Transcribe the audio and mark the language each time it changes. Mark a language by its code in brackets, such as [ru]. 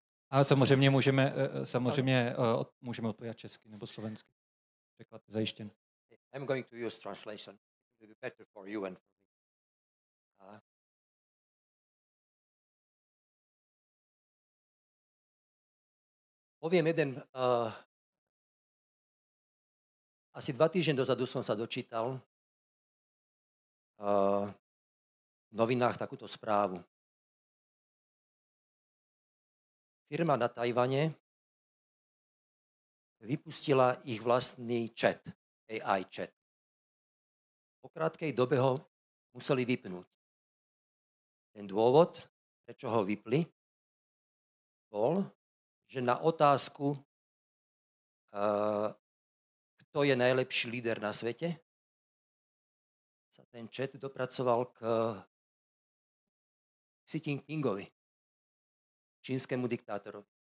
[cs] A samozřejmě můžeme můžeme odpovědět česky nebo slovensky. Překlad je zajištěn. [en] I'm going to use translation. It will be better for you and for me. [sk] Poviem jeden. Asi 2 týždne dozadu som sa dočítal v novinách takúto správu. Firma na Tajvane vypustila ich vlastný chat, AI chat. Po krátkej dobe ho museli vypnúť. Ten dôvod, prečo ho vypli, bol, že na otázku, kto je najlepší líder na svete, sa ten chat dopracoval k Xi Jinpingovi, čínskému diktátorovi.